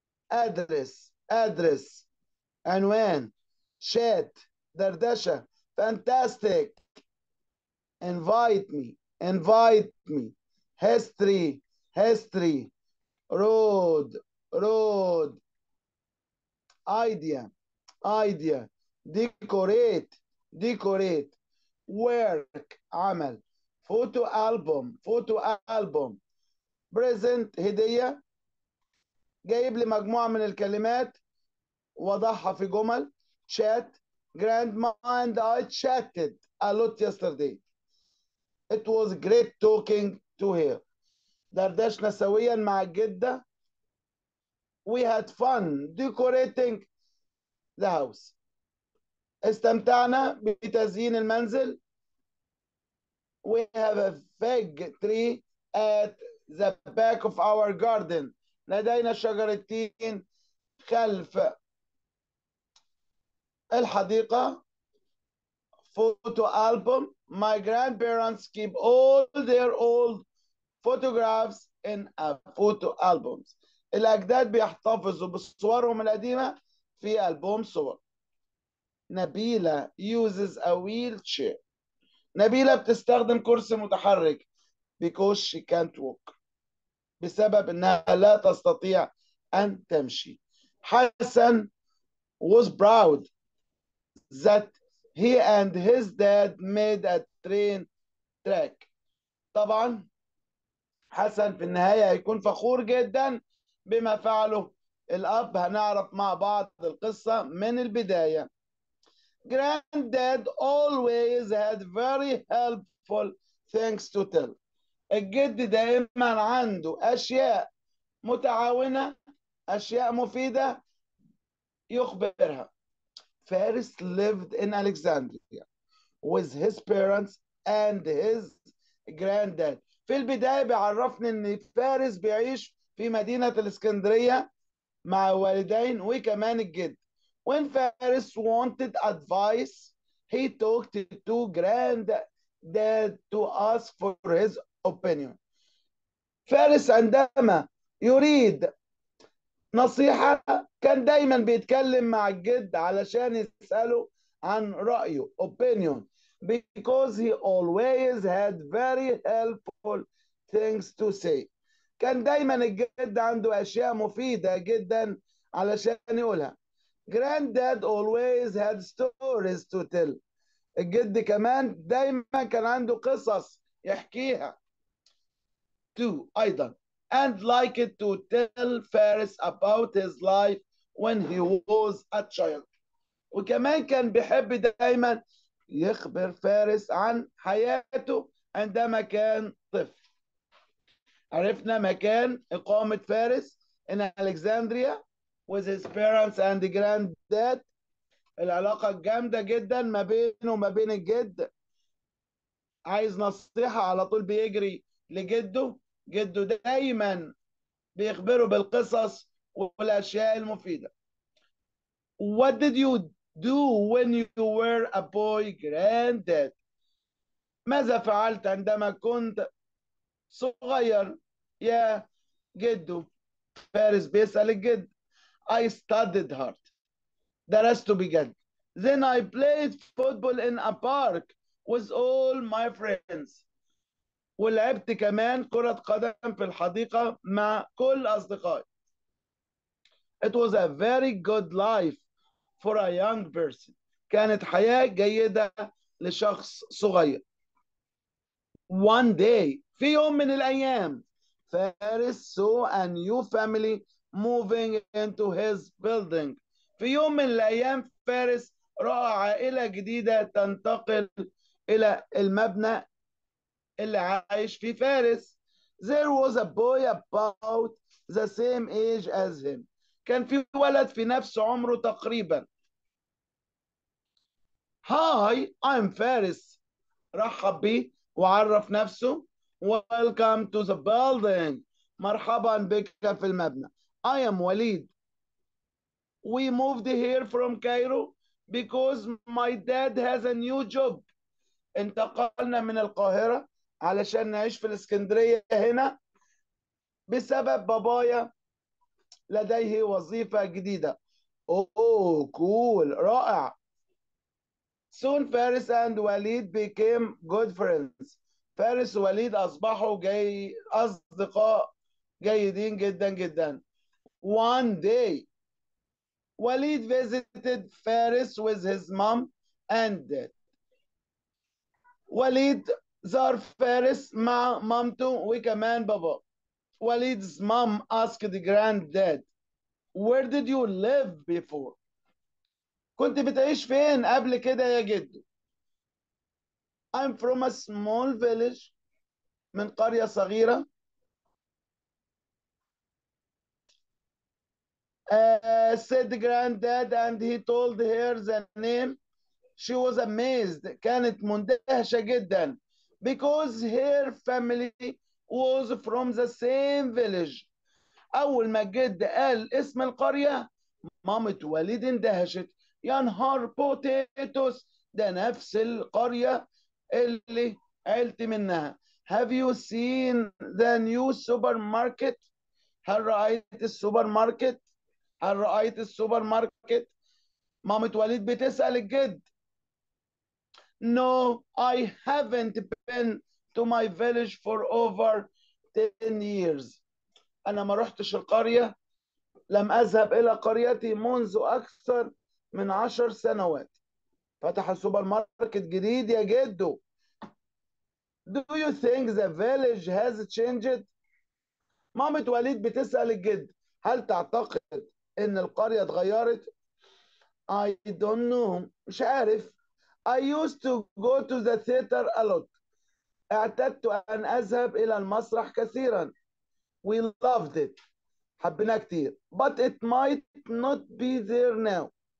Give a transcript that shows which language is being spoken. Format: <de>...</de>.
<en>address، address، عنوان، chat، دردشة، fantastic، invite me، invite me، history، history، road، road، idea، idea، decorate، decorate، work، عمل، photo album، photo album، present، هدية.</en> <ar>جايب لي مجموعة من الكلمات وضعها في جمل.</ar> <en>chat، grandma and I chatted a lot yesterday، it was great talking to her،</en> <ar>دردشنا سويا مع الجدة.</ar> <en>we had fun decorating the house،</en> <ar>استمتعنا بتزيين المنزل.</ar> <en>we have a fig tree at the back of our garden،</en> <ar>لدينا شجر التين خلف الحديقة.</ar> <en>photo album، my grandparents keep all their old photographs in a photo albums،</en> <ar>الأجداد بيحتفظوا بصورهم القديمة في ألبوم صور. نبيلة</ar> <en>uses a wheelchair،</en> <ar>نبيلة بتستخدم كرسي متحرك،</ar> <en>because she can't walk،</en> <ar>بسبب أنها لا تستطيع أن تمشي.</ar> <en>Hassan was proud that he and his dad made a train track،</en> <ar>طبعا حسن في النهاية هيكون فخور جدا بما فعله الأب. هنعرف مع بعض القصة من البداية.</ar> <en>Granddad always had very helpful things to tell،</en> <ar>الجد دائما عنده أشياء متعاونة، أشياء مفيدة يخبرها.</ar> <en>Faris lived in Alexandria with his parents and his granddad،</en> <ar>في البداية بيعرفني إن فارس بيعيش في مدينة الإسكندرية مع والدين وكمان الجد.</ar> <en>When Faris wanted advice, he talked to Granddad to ask for his opinion.</en> <ar>فارس عندما يريد نصيحة كان دايما بيتكلم مع الجد علشان يسأله عن رأيه opinion,</ar> <en>because he always had very helpful things to say.</en> <ar>كان دايما الجد عنده أشياء مفيدة جدا علشان يقولها.</ar> <en>Granddad always had stories to tell.</en> <ar>الجد كمان دايما كان عنده قصص يحكيها. Two, أيضا.</ar> <en>And liked to tell Ferris about his life when he was a child.</en> <ar>وكمان كان بيحب دايما يخبر فارس عن حياته عندما كان طفل. عرفنا مكان إقامة فارس</ar> <en>in Alexandria with his parents and granddad.</en> <ar>العلاقة الجامدة جدا ما بينه وما بين الجد. عايز نصيحة على طول بيجري لجده. جده دايما بيخبره بالقصص والأشياء المفيدة.</ar> <en>What did you do when you were a boy, granddad?</en> <ar>ماذا فعلت عندما كنت صغير يا جده؟ فارس بيسأل الجد.</ar> <en>I studied hard.</en> <ar>درست بجد.</ar> <en>Then I played football in a park with all my friends.</en> <ar>ولعبت كمان كرة قدم في الحديقة مع كل أصدقائي.</ar> <en>It was a very good life for a young person.</en> <ar>كانت حياة جيدة لشخص صغير.</ar> <en>One day,</en> <ar>في يوم من الأيام,</ar> <en>Faris saw a new family moving into his building.</en> <ar>في يوم من الأيام فارس رأى عائلة جديدة تنتقل إلى المبنى اللي عايش في فارس.</ar> <en>There was a boy about the same age as him.</en> <ar>كان في ولد في نفس عمره تقريبا.</ar> <en>Hi, I'm Faris.</en> <ar>رحب بيه وعرف نفسه.</ar> <en>Welcome to the building.</en> <ar>مرحبا بك في المبنى.</ar> <en>I am Waleed. We moved here from Cairo because my dad has a new job.</en> <ar>انتقلنا من القاهرة علشان نعيش في الإسكندرية هنا بسبب بابايا لديه وظيفة جديدة.</ar> <en>Oh, cool. رائع. Soon Faris and Waleed became good friends.</en> <ar>فارس ووليد أصبحوا أصدقاء جيدين جدا جدا.</ar> <en>One day, Waleed visited Faris with his mom and dad.</en> <ar>وليد زار فارس مع مامته وكمان بابا.</ar> <en>وليد's mom asked granddad, where did you live before?</en> <ar>كنت بتعيش فين قبل كده يا جدو؟</ar> <en>I'm from a small village.</en> <ar>من قرية صغيرة.</ar> <en>Said granddad, and he told her the name. She was amazed.</en> <ar>كانت مندهشة جدا.</ar> <en>Because her family was from the same village.</en> <ar>أول ما جد قال اسم القرية مامت وليد اندهشت. يا نهار بوتيتوس، ده نفس القرية اللي عيلت منها.</ar> <en>Have you seen the new supermarket?</en> <ar>هل رأيت السوبر ماركت؟ هل رأيت السوبر ماركت؟ مامت وليد بتسأل الجد.</ar> <en>No, I haven't been to my village for over 10 years.</en> <ar>أنا ما رحتش القرية، لم أذهب إلى قريتي منذ أكثر من 10 سنوات. فتح السوبر ماركت جديد يا جدو.</ar> <en>Do you think the village has changed?</en> <ar>مامة وليد بتسأل الجد، هل تعتقد إن القرية اتغيرت؟</ar> <en>I don't know.</en> <ar>مش عارف.</ar> <en>I used to go to the theater a lot.</en> <ar>اعتدت أن أذهب إلى المسرح كثيرا.</ar> <en>We loved it.</en> <ar>حبنا كثير.</ar> <en>But it might not be there now.</en>